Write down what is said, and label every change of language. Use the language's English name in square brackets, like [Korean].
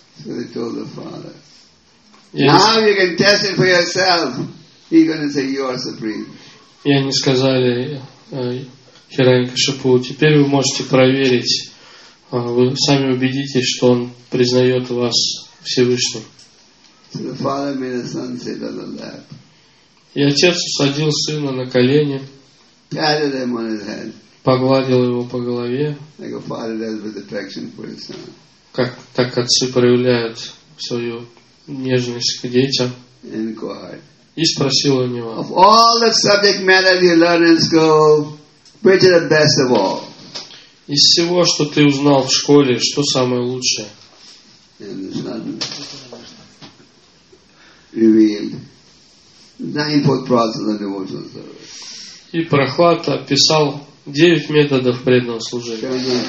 [English] So they told the father. Now you can test it for yourself. He's going to say you are supreme. [Russian] И они сказали Хираньякашипу, теперь вы можете проверить, вы сами убедитесь, что он признает вас Всевышним. [English] So the father made the son sit on the lap. [Russian] И отец усадил сына на колени, [English] patted him on his head, [Russian] погладил его по голове, [English] like a father does with affection for his son. [Russian] Как так отцы проявляют свою нежность к детям. [English] Inquired. [Russian] И спросил у него. [English] Of all the subject matter you learn in school, which is the best of all? [Russian] Из всего, что ты узнал в школе, что самое лучшее? [English] And the son revealed the nine-fold process of devotional service. [Russian] И Прохлад описал 9 методов преданного служения.